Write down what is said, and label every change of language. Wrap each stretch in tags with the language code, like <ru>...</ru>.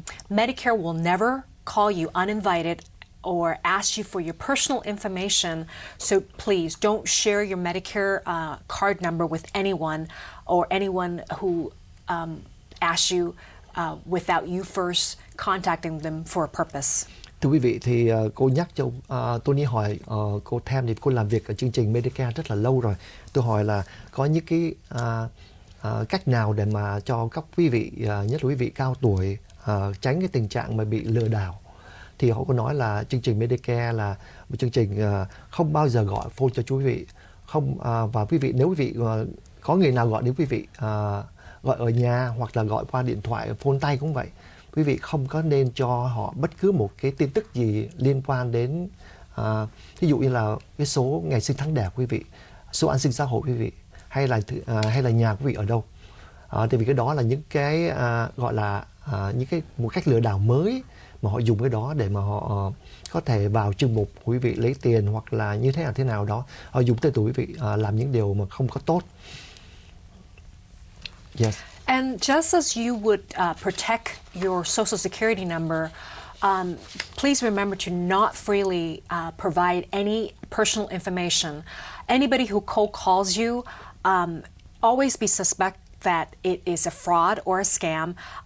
<en>Medicare will never call you uninvited or ask you for your personal information, so please don't share your Medicare card number with anyone or anyone who asks you without you first contacting them for a purpose.</en> <vi>Thưa quý vị, thì cô nhắc cho Tony hỏi cô Tam thì cô làm việc ở chương trình Medicare rất là lâu rồi. Tôi hỏi là có những cái cách nào để mà cho các quý vị, nhất là quý vị cao tuổi, tránh cái tình trạng mà bị lừa đảo. Thì họ có nói là chương trình Medicare là một chương trình không bao giờ gọi phone cho quý vị. Không, và quý vị, nếu quý vị có người nào gọi đến quý vị, gọi ở nhà hoặc là gọi qua điện thoại, phone tay cũng vậy, quý vị không có nên cho họ bất cứ một cái tin tức gì liên quan đến, ví dụ như là cái số ngày sinh tháng đẻ quý vị, số an sinh xã hội quý vị, hay là nhà quý vị ở đâu. Tại vì cái đó là những cái gọi là những cái một cách lừa đảo mới mà họ dùng cái đó để mà họ có thể vào chương mục quý vị lấy tiền hoặc là như thế nào thế nào đó. Họ dùng tên tuổi quý vị làm những điều mà không có tốt.</vi> <en>Yes. And just as you would protect your social security number, please remember to not freely provide any personal information. Anybody who cold calls you, always be suspect that it is a fraud or a scam.</en>